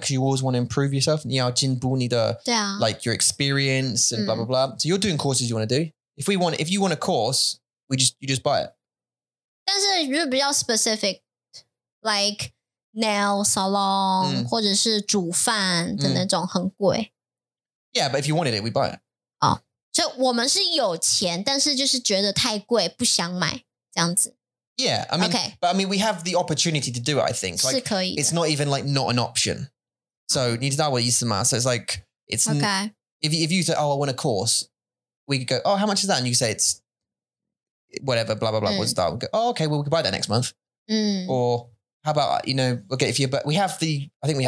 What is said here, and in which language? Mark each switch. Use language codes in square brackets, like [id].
[en] Because you always want to improve yourself. [zh] 你要进步你的, [en] like your experience and blah, blah, blah. So you're doing courses you want to do. If you want a course, you just buy it. [zh] 但是如果比较 specific, [en] like nail salon, [zh] 或者是煮饭的那种很贵。 [en] Yeah, but if you wanted it, we'd buy it. Oh. [zh] 所以我们是有钱，但是就是觉得太贵，不想买这样子。 [en] Yeah, I mean, okay. But I mean, we have the opportunity to do it. I think [zh] like, 是可以的。 [en] It's not even like not an option. So [zh] 你知道我意思吗 [en] So it's like it's okay. If you say, oh, I want a course, we could go, oh, how much is that? And you say it's whatever, blah blah blah. What's that? We go, oh, okay, well, we could buy that next month. Or how about you know, okay, if you but we have the I think we have